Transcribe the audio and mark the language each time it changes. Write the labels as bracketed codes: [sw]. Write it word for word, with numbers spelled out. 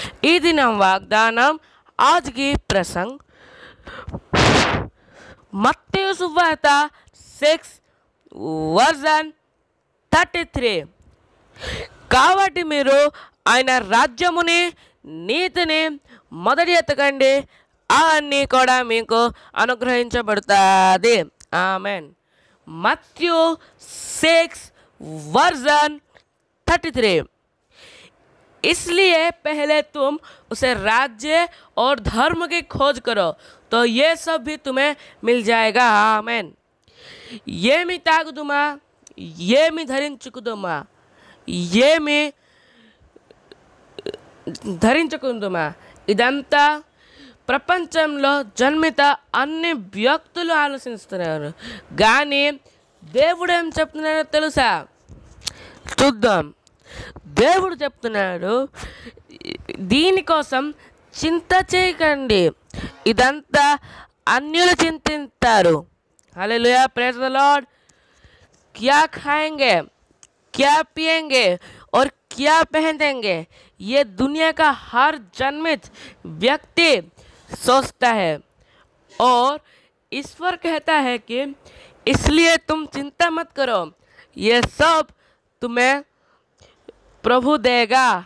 [te] ఈ దినం వాగ్దానం [hi] ఆజ్కి ప్రసంగ్ [te] మత్తయి సువార్త సిక్స్ వర్జన్ థర్టీ త్రీ కాబట్టి మీరు ఆయన రాజ్యముని నీతిని మొదటి ఎత్తకండి, అవన్నీ కూడా మీకు అనుగ్రహించబడుతుంది. ఆమెన్. [hi] మత్తయి సిక్స్ వర్జన్ థర్టీ త్రీ इसलिए पहले तुम उसे राज्य और धर्म की खोज करो तो ये सब भी तुम्हें मिल जाएगा। आमेन। [te] ఏమి తాగుదుమా, ఏమి ధరించుకుదుమా, ఏమి ధరించుకుందుమా, ఇదంతా ప్రపంచంలో జన్మిత అన్ని వ్యక్తులు ఆలోచిస్తున్నారు. కానీ దేవుడు ఏం చెప్తున్నాడో తెలుసా? చూద్దాం. దేవుడు చెప్తున్నాడు, దీనికోసం చింత చేయకండి, ఇదంతా అన్యులు చింతిస్తారు. హల్లెలూయా, [en] Praise the Lord. [hi] क्या खाएंगे, क्या पिएंगे और क्या पहनेंगे, ये दुनिया का हर जन्मित व्यक्ति सोचता है और ईश्वर कहता है कि इसलिए तुम चिंता मत करो, ये सब तुम्हें [te] ప్రభు దేగా.